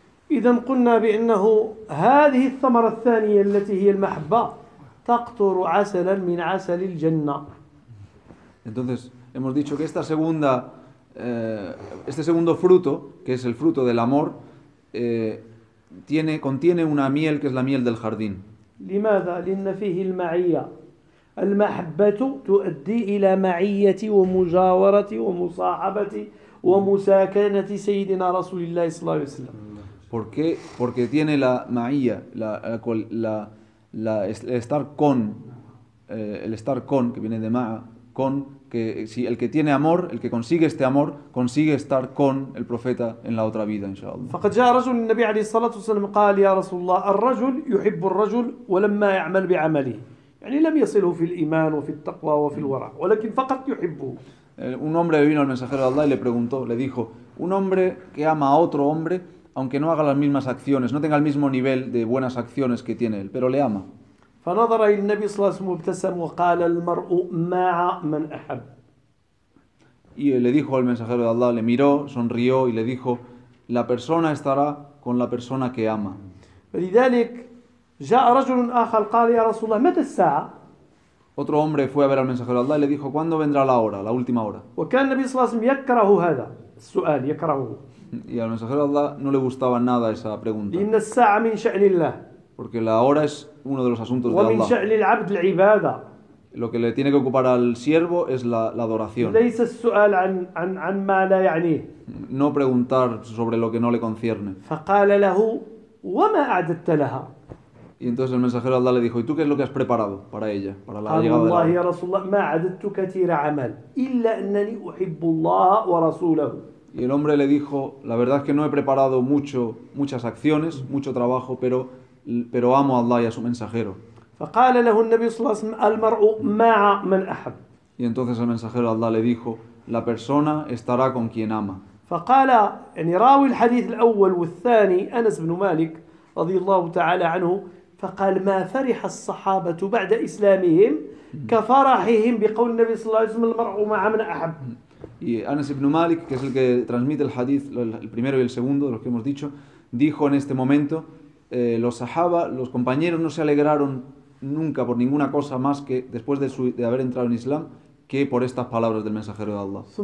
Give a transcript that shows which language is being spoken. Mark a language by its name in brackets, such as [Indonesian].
[Arabic] إذن قلنا بأنه هذه الثمرة الثانية التي هي المحبة تقطر عسلا من عسل الجنة. [Spanish] Entonces hemos dicho que esta segunda este segundo fruto que es el fruto del amor tiene contiene una miel que es la miel del jardín. [Arabic] لماذا؟ لأن فيه المعية. المحبة تؤدي إلى معية ومجاورة ومصاحبة ومساكنة سيدنا رسول الله صلى الله عليه وسلم. [Spanish] ¿Por qué? Porque tiene la ma'iyya, el estar con, que viene de ma'a, con, que si el que tiene amor, el que consigue este amor, consigue estar con el profeta en la otra vida, inshallah. [Arabic] فقد جاء رجل النبي عليه الصلاة والسلام قال يا رسول الله الرجل يحب الرجل ولما يعمل بعمله. يعني لم يصله في الإيمان وفي التقوى وفي الورع, ولكن فقط يحبه. [Spanish] Un hombre vino al mensajero de Allah y le preguntó, le dijo, un hombre que ama a otro hombre, aunque no haga las mismas acciones, no tenga el mismo nivel de buenas acciones que tiene él, pero le ama. [Arabic] فنظر إلى النبي صلى الله عليه وسلم وابتسم وقال المرء مع من أحب. [Spanish] Y le dijo al mensajero de Allah, le miró, sonrió y le dijo, la persona estará con la persona que ama. [Arabic] لذلك جاء رجل آخر قال يا رسول الله متى الساعة؟ [Spanish] Otro hombre fue a ver al mensajero de Allah y le dijo, ¿cuándo vendrá la hora, la última hora? [Arabic] وكان النبي صلى الله عليه وسلم يكره هذا السؤال يكرهه. [Spanish] Y al mensajero de Allah no le gustaba nada esa pregunta. [Arabic] إن الساعة من شأن الله. [Spanish] Porque la hora es uno de los asuntos de Allah. [Arabic] ومن شأن العبد العبادة. [Spanish] Lo que le tiene que ocupar al siervo es la adoración. [Arabic] ليس السؤال عن ما لا يعنيه. [Spanish] No preguntar sobre lo que no le concierne. [Arabic] فقال له وما أعددت لها. [Spanish] Y entonces el mensajero de Allah le dijo, ¿y tú qué es lo que has preparado para ella, para la llegada de Allah? [Arabic] يا رسول الله ما أعددت كثير عمل إلا أنني أحب الله ورسوله. [Spanish] Y el hombre le dijo, la verdad es que no he preparado mucho, muchas acciones, mucho trabajo, pero amo a Allah y a su mensajero. [Arabic] فقال له النبي صلى الله عليه وسلم المرء مع من أحب. [Spanish] Y entonces el mensajero de Allah le dijo, la persona estará con quien ama. [Arabic] فقال يعني راوي الحديث الأول والثاني أنس بن مالك رضي الله تعالى عنه فقال ما فرح الصحابة بعد إسلامهم كفرحهم بقول النبي صلى الله عليه وسلم المرء مع من أحب. [Spanish] Y Anas ibn Malik, que es el que transmite el hadith, el primero y el segundo de los que hemos dicho, dijo en este momento, los sahaba, los compañeros no se alegraron nunca por ninguna cosa más que después de haber entrado en Islam que por estas palabras del mensajero de Allah.